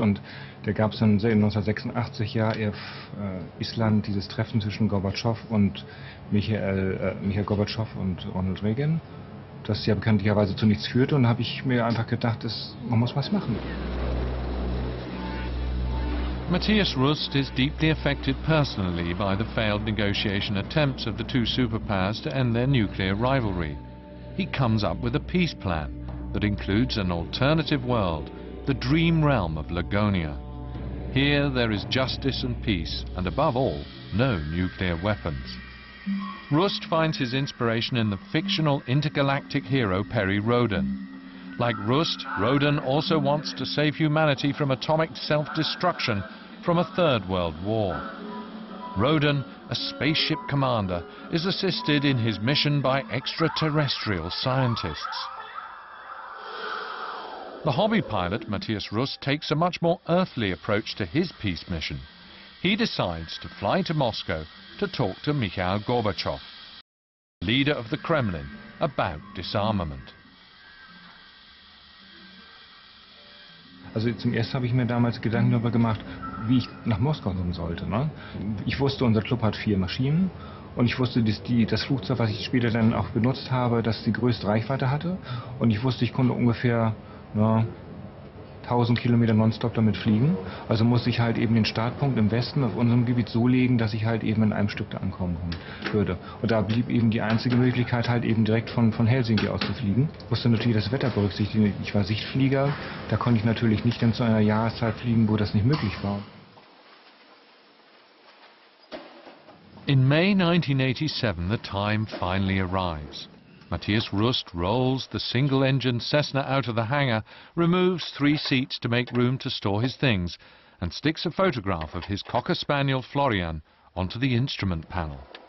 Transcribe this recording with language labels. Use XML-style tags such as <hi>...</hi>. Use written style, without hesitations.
<de>Und da gab es dann 1986 ja auf Island dieses Treffen zwischen Gorbatschow und Michael Gorbatschow und Ronald Reagan, das ja bekanntlicherweise zu nichts führte, und habe ich mir einfach gedacht, man muss was machen.</de> <en>Matthias Rust is deeply affected personally by the failed negotiation attempts of the two superpowers to end their nuclear rivalry. He comes up with a peace plan that includes an alternative world, the dream realm of Lagonia. Here there is justice and peace, and above all, no nuclear weapons. Rust finds his inspiration in the fictional intergalactic hero Perry Rhodan. Like Rust, Rhodan also wants to save humanity from atomic self-destruction from a third world war. Rhodan, a spaceship commander, is assisted in his mission by extraterrestrial scientists. The hobby pilot, Matthias Rust, takes a much more earthly approach to his peace mission. He decides to fly to Moscow to talk to Mikhail Gorbachev, leader of the Kremlin, about disarmament.</en> <de>Also zum Ersten habe ich mir damals Gedanken darüber gemacht, wie ich nach Moskau kommen sollte. Ne? Ich wusste, unser Club hat vier Maschinen. Und ich wusste, dass das Flugzeug, was ich später dann auch benutzt habe, dass die größte Reichweite hatte. Und ich wusste, ich konnte ungefähr 1000 Kilometer nonstop damit fliegen. Also muss ich halt eben den Startpunkt im Westen auf unserem Gebiet so legen, dass ich halt eben in einem Stück da ankommen würde. Und da blieb eben die einzige Möglichkeit, halt eben direkt von Helsinki aus zu fliegen. Ich musste natürlich das Wetter berücksichtigen. Ich war Sichtflieger. Da konnte ich natürlich nicht dann zu einer Jahreszeit fliegen, wo das nicht möglich war.</de> <en>In May 1987, the time finally arrives. Matthias Rust rolls the single-engine Cessna out of the hangar, removes three seats to make room to store his things, and sticks a photograph of his Cocker Spaniel Florian onto the instrument panel.</en>